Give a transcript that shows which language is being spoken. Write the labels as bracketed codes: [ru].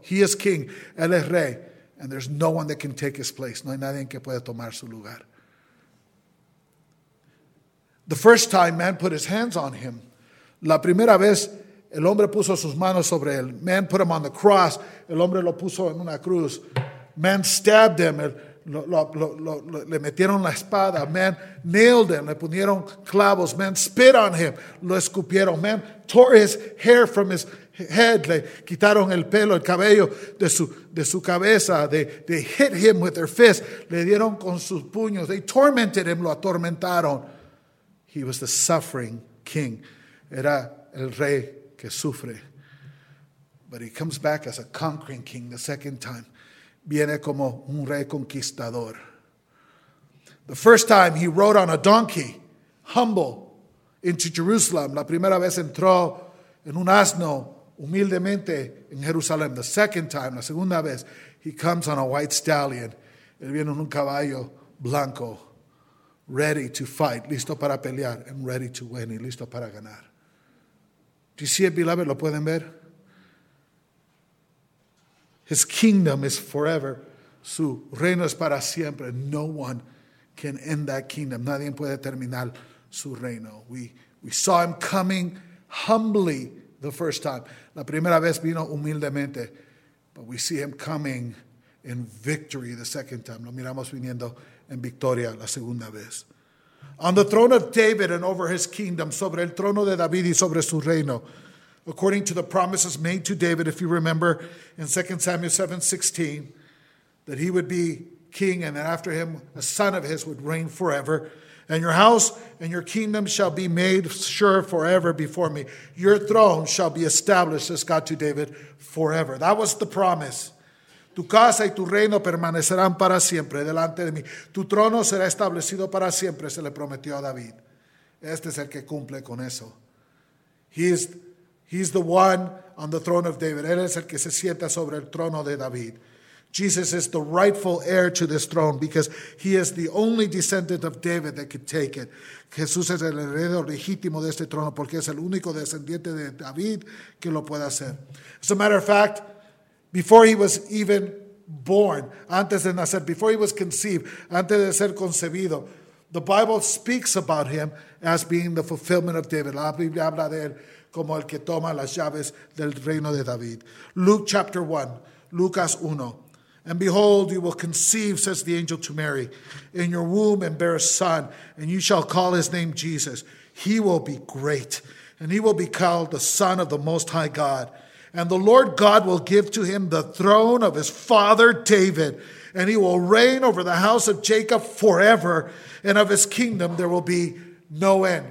[en] He is king, [es] él es rey, [en] and there's no one that can take his place. [es] No hay nadie que pueda tomar su lugar. [en] The first time man put his hands on him, [es] la primera vez el hombre puso sus manos sobre él. [en] Man put him on the cross. [es] El hombre lo puso en una cruz. [en] Man stabbed him. [es] Le metieron la espada. Man nailed him. Le pusieron clavos. Man spit on him. Lo escupieron. [en] Man tore his hair from his head. [es] Le quitaron el pelo, el cabello de su cabeza. [en] They hit him with their fists. [es] Le dieron con sus puños. [en] They tormented him. [es] Lo atormentaron. [en] He was the suffering king. [es] Era el rey que sufre. [en] But he comes back as a conquering king the second time. [es] Viene como un rey conquistador. [en] The first time he rode on a donkey, humble, into Jerusalem. [es] La primera vez entró en un asno, humildemente, en Jerusalén. [en] The second time, [es] la segunda vez, [en] he comes on a white stallion. [es] Él viene en un caballo blanco, [en] ready to fight, [es] listo para pelear, [en] and ready to win, [es] y listo para ganar. [en] Do you see it, beloved? [es] ¿Lo pueden ver? [en] His kingdom is forever. [es] Su reino es para siempre. [en] No one can end that kingdom. [es] Nadie puede terminar su reino. [en] We saw him coming humbly the first time. [es] La primera vez vino humildemente. [en] But we see him coming in victory the second time. [es] Lo miramos viniendo en victoria la segunda vez. [en] On the throne of David and over his kingdom, [es] sobre el trono de David y sobre su reino, [en] according to the promises made to David, if you remember, in 2 Samuel 7:16, that he would be king and that after him a son of his would reign forever. And your house and your kingdom shall be made sure forever before me. Your throne shall be established, says God to David, forever. That was the promise. [es] Tu casa y tu reino permanecerán para siempre delante de mí. Tu trono será establecido para siempre, se le prometió a David. Este es el que cumple con eso. [en] He's the one on the throne of David. [es] Él es el que se sienta sobre el trono de David. [en] Jesus is the rightful heir to this throne because he is the only descendant of David that could take it. [es] Jesús es el heredero legítimo de este trono porque es el único descendiente de David que lo puede hacer. [en] As a matter of fact, before he was even born, [es] antes de nacer, [en] before he was conceived, [es] antes de ser concebido, [en] the Bible speaks about him as being the fulfillment of David. [es] La Biblia habla de él como el que toma las llaves del reino de David. [en] Luke chapter 1, Lucas 1. And behold, you will conceive, says the angel to Mary, in your womb and bear a son, and you shall call his name Jesus. He will be great, and he will be called the Son of the Most High God. And the Lord God will give to him the throne of his father David, and he will reign over the house of Jacob forever, and of his kingdom there will be no end.